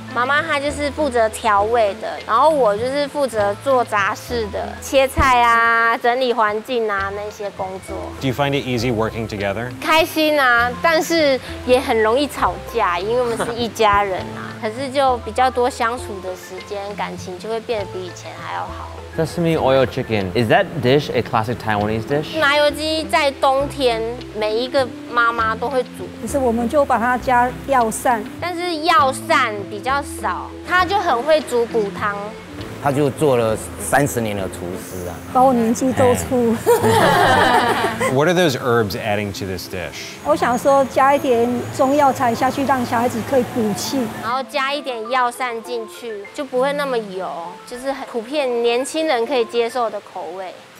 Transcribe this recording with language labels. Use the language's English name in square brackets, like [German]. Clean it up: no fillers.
[Chinese] 妈妈她就是负责调味的，然后我就是负责做杂事的，切菜啊、整理环境啊那些工作。 [English] Do you find it easy working together? [Chinese] 开心啊，但是也很容易吵架，因为我们是一家人啊。可是就比较多相处的时间，感情就会变得比以前还要好。 [English] Sesame oil chicken, is that dish a classic Taiwanese dish? [Chinese] 麻油鸡在冬天每一个妈妈都会煮，可是我们就把它加药膳，但是药膳比较少，她就很会煮骨汤。他就做了30年的厨师啊，把我年纪都出。 [English] What are those herbs adding to this dish? [Chinese] 我想说加一点中药材下去，让小孩子可以补气，然后加一点药膳进去，就不会那么油，就是很普遍年轻人可以接受的口味。